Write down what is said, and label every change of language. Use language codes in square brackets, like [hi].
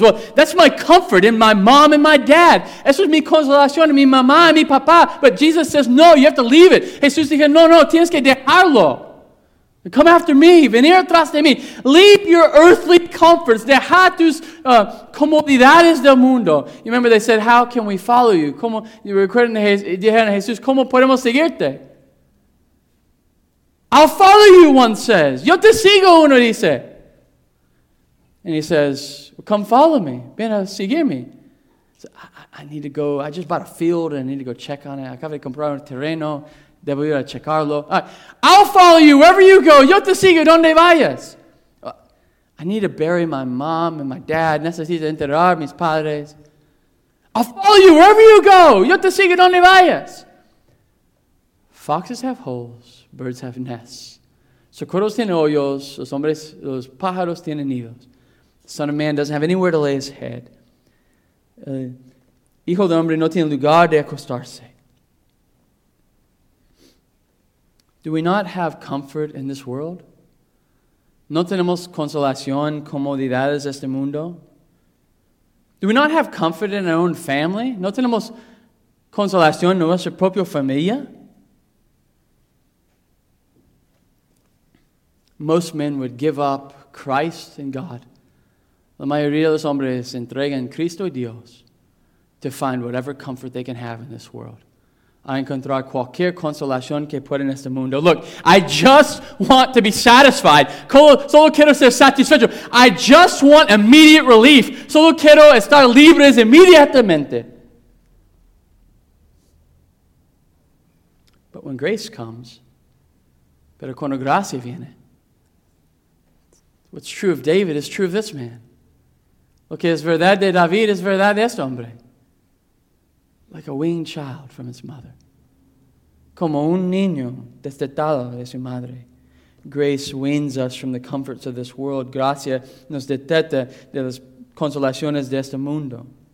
[en] Well, that's my comfort in my mom and my dad. [es] Eso es mi consolación en mi mamá y mi papá. [en] But Jesus says, no, you have to leave it. [es] Jesús dijo, no, tienes que dejarlo. [en] Come after me. [es] Venir tras de mí. [en] Leave your earthly comforts. [es] Deja tus comodidades del mundo. [en] You remember they said, how can we follow you? [es] ¿Cómo, [en] you were quoting [es] Jesús, ¿cómo podemos seguirte? [en] I'll follow you, one says. [es] Yo te sigo, uno dice. [en] And he says, well, come follow me. [es] Ven a seguir me. [en] So, I need to go. I just bought a field and I need to go check on it. [es] Acabo de comprar un terreno. Debo ir a checarlo. [en] I'll follow you wherever you go. [es] Yo te sigo donde vayas. [en] I need to bury my mom and my dad. [es] Necesito enterrar mis padres. [en] I'll follow you wherever you go. [es] Yo te sigo donde vayas. [en] Foxes have holes. Birds have nests. [es] Socorros tienen hoyos. Los hombres, los pájaros tienen nidos. [en] The Son of Man doesn't have anywhere to lay his head. [es] Hijo de hombre no tiene lugar de acostarse. [en] Do we not have comfort in this world? [es] ¿No tenemos consolación, comodidades de este mundo? [en] Do we not have comfort in our own family? [es] ¿No tenemos consolación en nuestra propia familia? [en] Most men would give up Christ and God. [es] La mayoría de los hombres entregan Cristo y Dios [en] to find whatever comfort they can have in this world. [es] a encontrar cualquier consolación que pueda en este mundo. [en] Look, I just want to be satisfied. [es] Solo quiero ser satisfecho. [en] I just want immediate relief. [es] Solo quiero estar libres inmediatamente. [en] But when grace comes, [es] pero cuando gracia viene, [en] what's true of David is true of this man. [es] Lo que es verdad de David es verdad de este hombre. [en] Like a weaned child from his mother. [es] Como un niño destetado de su madre. [en] Grace weans us from the comforts of this world. [es] Gracia nos deteta de las consolaciones de este mundo.